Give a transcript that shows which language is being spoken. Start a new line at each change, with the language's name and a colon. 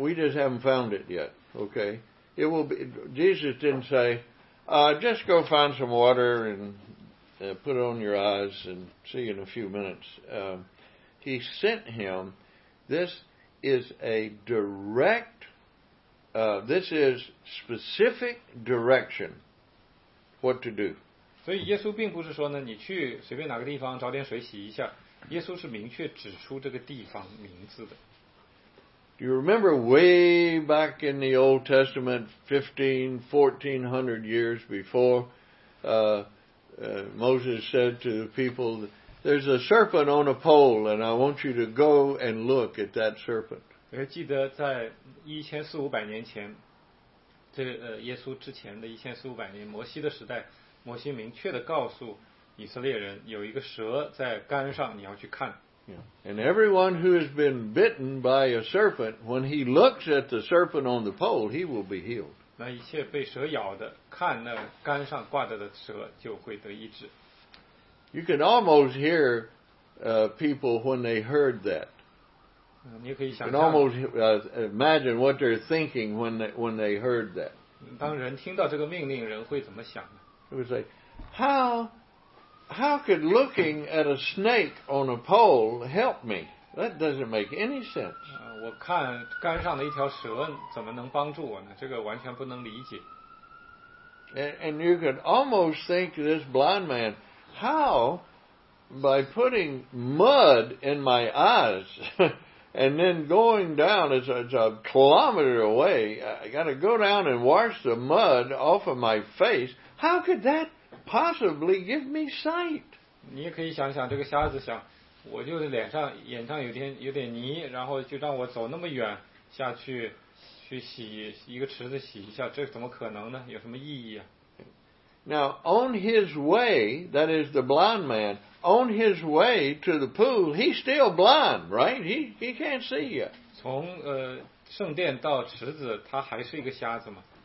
English: We just haven't found it yet. Okay. It will be, Jesus didn't say, just go find some water and put it on your eyes and see you in a few minutes. He sent him. This is a direct, this is specific direction what to do.
Chinese: 所以耶稣并不是说呢，你去随便哪个地方找点水洗一下。耶稣是明确指出这个地方名字的。
English: You remember way back in the Old Testament, 1400 years before, Moses said to the people, "There's a serpent on a pole, and I want you to go and look at that serpent."
Chinese: 记得在1400年前，这耶稣之前的1400年，摩西的时代，摩西明确的告诉以色列人，有一个蛇在杆上，你要去看。
English: Yeah. And everyone who has been bitten by a serpent, when he looks at the serpent on the pole, he will be healed.
Chinese: 那一切被蛇咬的，看那杆上挂着的蛇就会得医治。
English: You can almost hear people when they heard that.
Chinese: 你可以想象。
English: You can almost imagine what they're thinking when they heard that.
Chinese: 当人听到这个命令，人会怎么想呢？
English: It was like, How could looking at a snake on a pole help me? That doesn't make any sense.
Chinese: 我看杆上的一条蛇怎么能帮助我呢？这个完全不能理解。
English: And you could almost think this blind man, how by putting mud in my eyes and then going down, it's a kilometer away, I got to go down and wash the mud off of my face. How could that? Possibly give me sight.
Chinese: 你也可以想想，这个瞎子想，我就是脸上、眼上有点泥，然后就让我走那么远下去洗一个池子洗一下，这怎么可能呢？有什么意义啊
English: ？Now on his way, that is the blind man. On his way to the pool, he's still blind, right? He can't see yet.
Chinese: 从圣殿到池子，他还是一个瞎子吗？